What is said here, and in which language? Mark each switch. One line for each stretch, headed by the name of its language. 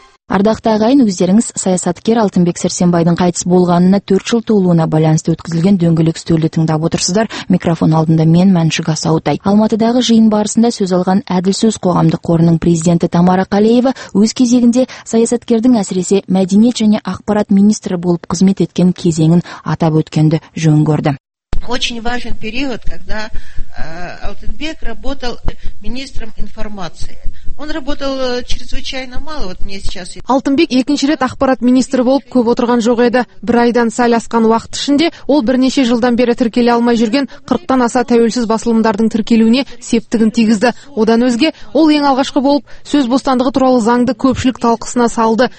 Kazakh: Ардақта ағайын, өздеріңіз саясаткер Алтынбек Сәрсенбайдың қайтыс болғанына 4 жыл толуына байланысты өткізілген дөңгелек үстелді тыңдап отырсыздар. Микрофон алдында мен Мәншік Асаутай. Алматыдағы жиын барысында сөз алған әділ сөз қоғамдық қорының президенті Тамара Қалеева өз кезегінде саясаткердің әсіресе мәдениет және ақпарат министрі болып қызмет еткен кезеңін атап өткенді жөн көрді.
Russian: Очень важен период, когда Алтынбек работал министром информации. Он работал чрезвычайно мало, вот мне сейчас.
Kazakh: Алтынбек екінші рет ақпарат министрі болып көп отырған жоқ еді. Бір айдан сәл асқан уақыт ішінде ол бірнеше жылдан бері тіркеле алмай жүрген 40-тан аса тәуелсіз басылымдардың тіркелуіне септігін тигізді. Одан өзге, ол ең алғашқы болып сөз бостандығы туралы заңды көпшілік талқысына салды.